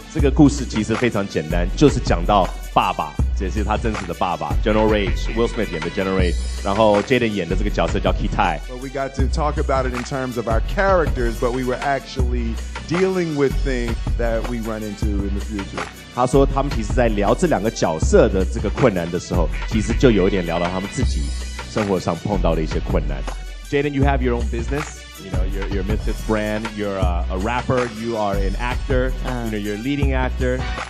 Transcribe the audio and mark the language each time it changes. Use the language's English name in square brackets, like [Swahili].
[Chinese] 这个故事其实非常简单，就是讲到爸爸，这是他真实的爸爸 General Rage, Will Smith 演的 General Rage, 然后 Jaden 演的这个角色叫 Kitai. [English] But we got to talk about it in terms of our characters, but we were actually dealing with things that we run into in the future. [Chinese] 他说他们其实在聊这两个角色的这个困难的时候，其实就有一点聊到他们自己生活上碰到的一些困难。 [English] Jaden, you have your own business. You know, you're Misfits brand, you're a rapper, you are an actor,、you know, you're a leading actor.